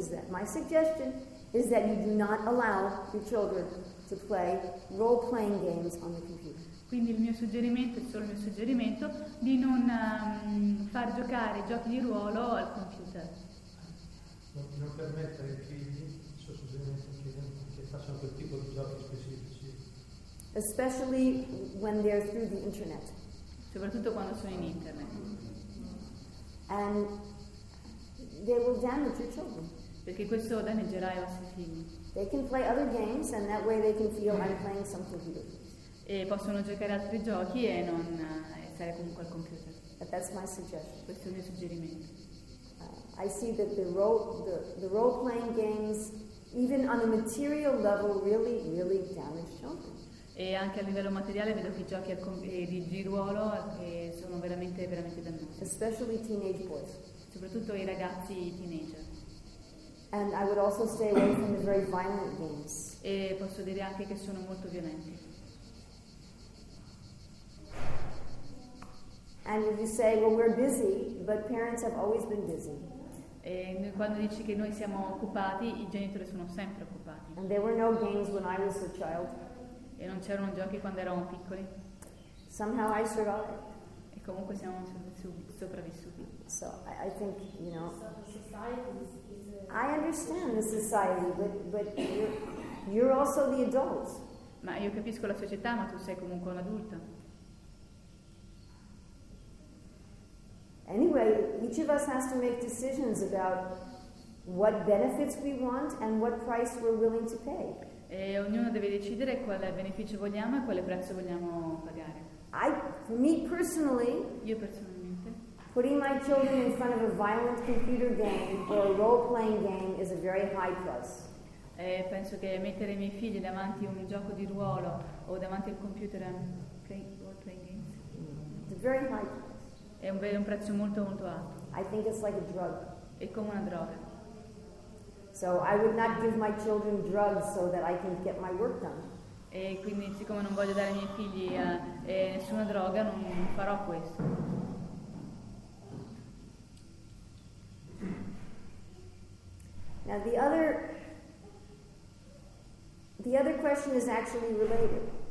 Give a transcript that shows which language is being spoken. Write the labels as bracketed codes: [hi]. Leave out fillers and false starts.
[en] My suggestion is that you do not allow your children to play role-playing games on the computer. [it] Quindi il mio suggerimento è solo il mio suggerimento di non far giocare i giochi di ruolo al computer. Non permettere ai figli, che facciano quel tipo di giochi specifici. [en] Especially when they're through the internet. [it] Soprattutto quando sono in internet. [en] And they will damage your children. [it] Perché questo danneggerà i vostri figli. [en] They can play other games and that way they can feel I'm playing something beautiful. [it] E possono giocare altri giochi e non stare comunque al computer. [en] But that's my suggestion. [it] Questo è il mio suggerimento. [en] I see that the role playing games, even on a material level, really, really damage children. [it] E anche a livello materiale vedo che i giochi di ruolo sono veramente veramente dannosi. [en] Especially teenage boys. [it] Soprattutto i ragazzi teenager. [en] And I would also stay away from the very violent games. [it] E posso dire anche che sono molto violenti. [en] And if you say, well, we're busy, but parents have always been busy. [it] E quando dici che noi siamo occupati, i genitori sono sempre occupati. [en] And there were no games when I was a child. [it] E non c'erano giochi quando eravamo piccoli. [en] Somehow I survived. [it] E comunque siamo sopravvissuti. [en] So I think, you know. So the society is I understand the society, but You're also the adult. [it] Ma io capisco la società, ma tu sei comunque un adulto. [en] Anyway, each of us has to make decisions about what benefits we want and what price we're willing to pay. [it] E ognuno deve decidere quale beneficio vogliamo e quale prezzo vogliamo pagare. Io personalmente, [en] putting my children in front of a violent computer game or a role-playing game is a very high price. [it] E penso che mettere i miei figli davanti a un gioco di ruolo o davanti al computer [en] role-playing game is a very high price. [it] È un prezzo molto molto alto. [en] I think it's like a drug. [it] È come una droga. [en] So I would not give my children drugs so that I can get my work done. [it] E quindi siccome non voglio dare ai miei figli nessuna droga, non farò questo. [en] Now the other question is actually related.